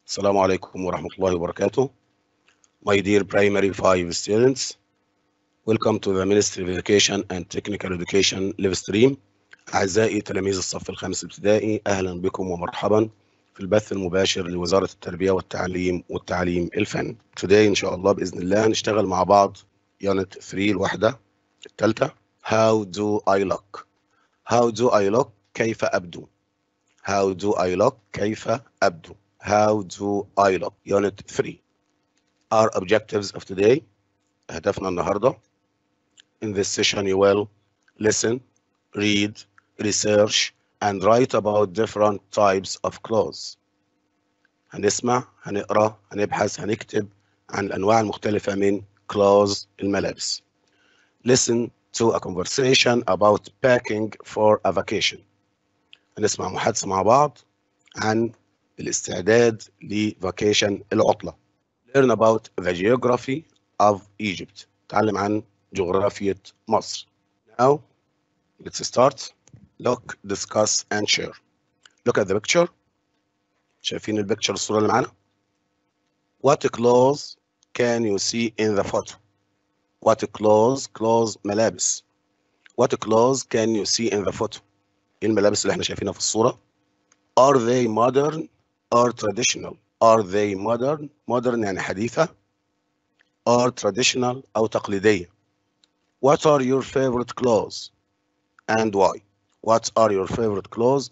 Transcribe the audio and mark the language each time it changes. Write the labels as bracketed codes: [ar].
[ar] السلام عليكم ورحمة الله وبركاته. [en] My dear primary 5 students, welcome to the Ministry of Education and Technical Education live stream. [ar] أعزائي تلاميذ الصف الخامس ابتدائي، أهلا بكم ومرحبا في البث المباشر لوزارة التربية والتعليم والتعليم الفن. Today إن شاء الله بإذن الله نشتغل مع بعض Unit 3 الوحدة الثالثة. [en] How do I look? How do I look? [ar] كيف أبدو؟ [en] How do I look? [ar] كيف أبدو؟ [en] How do I look? Unit 3. Our objectives of today. [ar] أهدافنا النهاردة. [en] In this session you will listen, read, research, and write about different types of clothes. [ar] هنسمع، هنقرأ، هنبحث، هنكتب عن الأنواع المختلفة من clothes الملابس. [en] Listen to a conversation about packing for a vacation. [ar] هنسمع محادثة مع بعض عن الاستعداد لفاكيشن العطلة. [en] Learn about the geography of Egypt. [ar] تعلم عن جغرافية مصر. [en] Now, let's start. Look, discuss and share. Look at the picture. [ar] شايفين البيكتشر الصورة اللي معانا؟ [en] What clothes can you see in the photo? What clothes, clothes ملابس. What clothes can you see in the photo? [ar] إيه الملابس اللي احنا شايفينها في الصورة؟ [en] Are they modern? Are traditional. Are they modern? Modern [ar] يعني حديثة. [en] Are traditional [ar] أو تقليدية. [en] What are your favorite clothes and why? What are your favorite clothes?